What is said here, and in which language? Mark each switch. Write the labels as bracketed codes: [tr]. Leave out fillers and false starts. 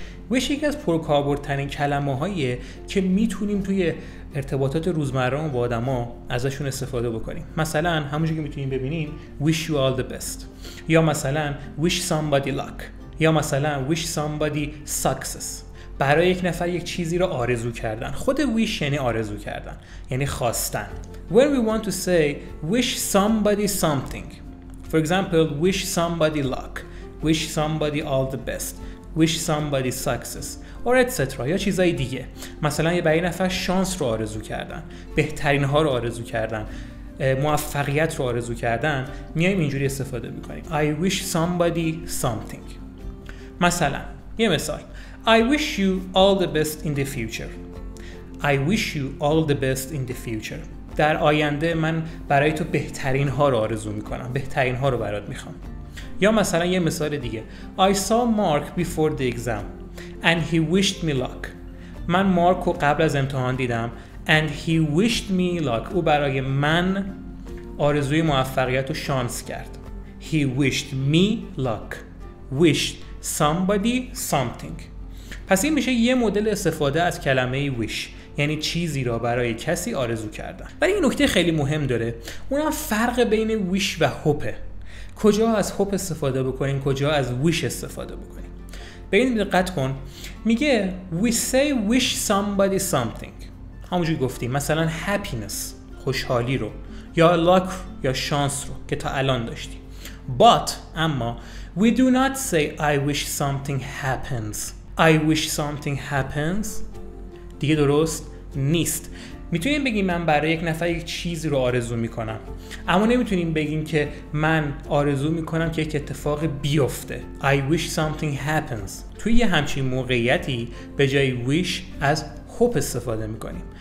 [fa] wish یکی از پرکاربردترین کلمه‌هاییه که میتونیم توی ارتباطات روزمره‌مون با آدما ازشون استفاده بکنیم. مثلا همونجوری که میتونیم ببینیم [en] wish you all the best، [fa] یا مثلا [en] wish somebody luck، یا مثلا wish somebody success. [fa] برای یک نفر یک چیزی رو آرزو کردن. خود wish یعنی آرزو کردن، یعنی خواستن. [en] When we want to say wish somebody something. For example, wish somebody luck, wish somebody all the best. Wish somebody success or etc. [fa] یا چیزای دیگه. مثلا یه برای نفر شانس رو آرزو کردن، بهترین ها رو آرزو کردن، موفقیت رو آرزو کردن، میایم اینجوری استفاده میکنیم. [en] I wish somebody something. [fa] مثلا یه مثال. [en] I wish you all the best in the future. I wish you all the best in the future. [fa] در آینده من برای تو بهترین ها رو آرزو میکنم، بهترین ها رو برات میخوام. یا مثلا یه مثال دیگه. [en] I saw Mark before the exam and he wished me luck. [fa] من مارک رو قبل از امتحان دیدم [en] and he wished me luck. [fa] او برای من آرزوی موفقیت و شانس کرد. [en] He wished me luck. Wished somebody something. [fa] پس این میشه یه مدل استفاده از کلمه wish، یعنی چیزی را برای کسی آرزو کردن. ولی این نکته خیلی مهم داره، اونم فرق بین wish و hope. کجا از هوپ استفاده بکنیم، کجا از ویش استفاده بکنیم. به این دقت کن. میگه [en] we say wish somebody something، [fa] همونجوری گفتیم، مثلا happiness خوشحالی رو، یا luck یا شانس رو که تا الان داشتیم. [en] but اما we do not say I wish something happens. I wish something happens [fa] دیگه درست نیست. میتونیم بگیم من برای یک نفر یک چیزی رو آرزو میکنم، اما نمیتونیم بگیم که من آرزو میکنم که یک اتفاق بیفته. [en] I wish something happens. [fa] توی یه همچین موقعیتی به جای wish از hope استفاده میکنیم.